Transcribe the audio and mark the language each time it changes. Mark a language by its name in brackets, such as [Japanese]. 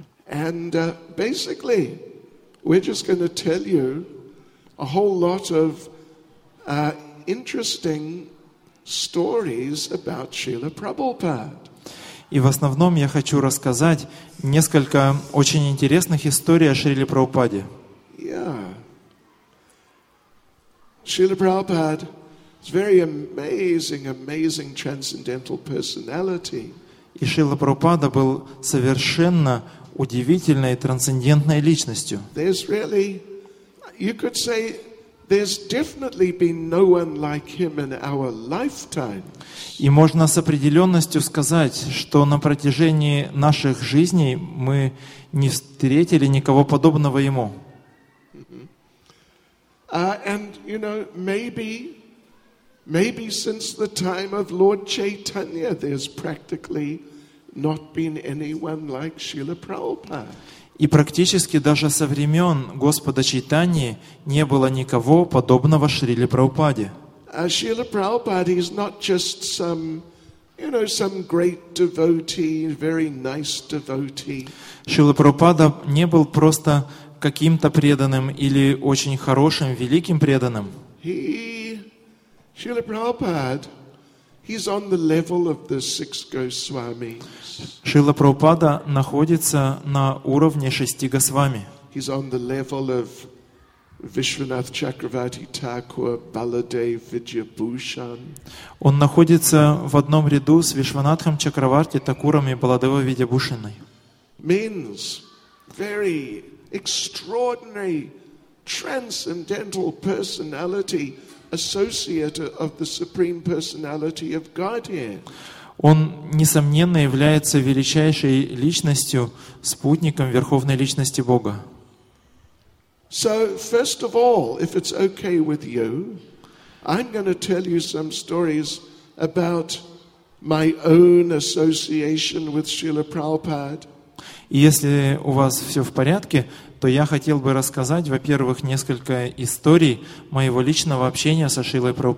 [English] And basically, we're just going to tell you a whole lot of interesting stories about Srila Prabhupada. [Russian] И в основном я хочу рассказать несколько очень интересных историй о Шриле Прабхупаде. [English] Yeah. Srila Prabhupada is very amazing, amazing transcendental personality. [Russian] И Шрила Прабхупада был совершенно удивительной и трансцендентной личностью. [English] There's really, you could say, there's definitely been no one like him in our lifetime. [Russian] И можно с определенностью сказать, что на протяжении наших жизней мы не встретили никого подобного ему. [English] And you know, maybe since the time of Lord Chaitanya, there's practically not been anyone like Srila Prabhupada. [Russian] И практически даже со времен Господа Чайтаньи не было никого подобного Шриле Прабхупаде. [English] Srila Prabhupada is not just some, you know, some great devotee, very nice devotee. [Russian] Шрила Прабхупада не был просто каким-то преданным или очень хорошим, великим преданным. [English] Srila Prabhupada, he's on the level of the six Goswamis. [Russian] Шрила Прабхупада находится на уровне шести Госвами. [English] He's on the level of Вишванатх Чакравати Такур, Баладев Видьябхушан. [Russian] Он находится в одном ряду с Вишванатхом Чакраварти Такуром и Баладевой Видьябхушаной. [English] Means very extraordinary transcendental personality. Associate of the Supreme Personality of Godhead. [Russian] Он, несомненно, является величайшей личностью, спутником Верховной Личности Бога. [English] So, first of all, if it's okay with you, I'm going to tell you some stories about my own association with Srila Prabhupada. [Russian] Если у вас все в порядке, то я хотел бы рассказать, во-первых, несколько историй моего личного общения со Шрилой